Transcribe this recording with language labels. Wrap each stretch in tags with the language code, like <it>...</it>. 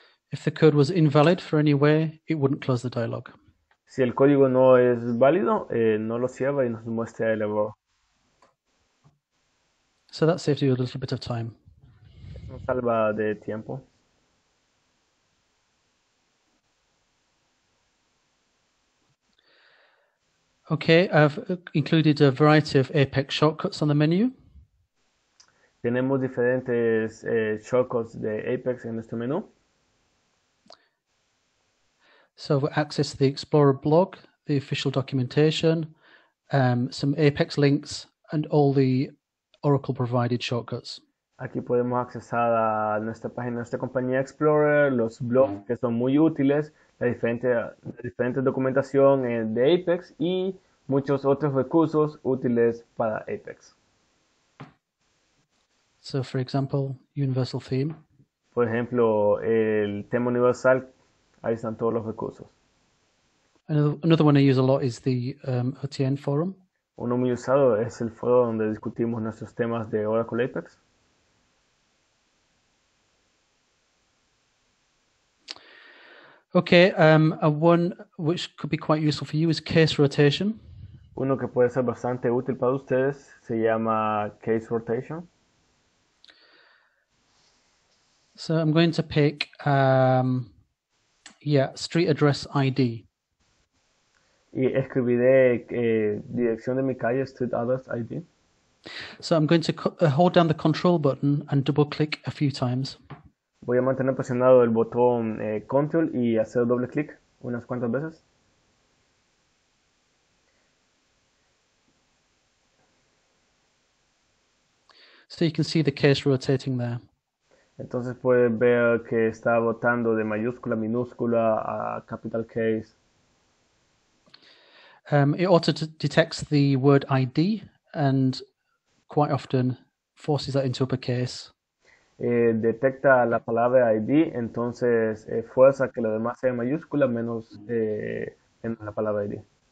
<en>If the code was invalid for any way, it wouldn't close the dialogue.</en> <es>Si el código no es válido, no lo cierra y nos muestra el error.</es> <en>So that saves you a little bit of time.</en> <es>Nos salva de tiempo.</es> <en>Okay, I've included a variety of Apex shortcuts on the menu.</en> <es>Tenemos diferentes shortcuts de Apex en nuestro menú.</es> <en>So we access the Explorer blog, the official documentation, some Apex links, and all the Oracle provided shortcuts.</en> <es>Aquí podemos accesar a nuestra página, nuestra compañía Explorer, los blogs que son muy útiles, la diferente documentación de Apex y muchos otros recursos útiles para Apex.</es> <en>So, for example, universal theme.</en> <es>Por ejemplo, el tema universal, ahí están todos los recursos.</es> <en>Another one I use a lot is the OTN forum.</en> <es>Uno muy usado es el foro donde discutimos nuestros temas de Oracle Apex.</es> <en>Okay, one which could be quite useful for you is case rotation.</en> <es>Uno que puede ser bastante útil para ustedes se llama case rotation.</es> <en>So I'm going to pick, street address ID.</en> <es>Y escribiré dirección de mi calle, street address ID.</es> <en>So I'm going to hold down the control button and double click a few times.</en> <es>Voy a mantener presionado el botón control y hacer doble clic unas cuantas veces.</es> <en>So you can see the case rotating there.</en> <es>Entonces puedes ver que está rotando de mayúscula a minúscula a capital case.</es> <en>It auto detects the word ID and quite often forces that into uppercase.</en> <es>detecta la palabra ID, entonces fuerza que lo demás sea en mayúscula menos en la palabra ID.</es>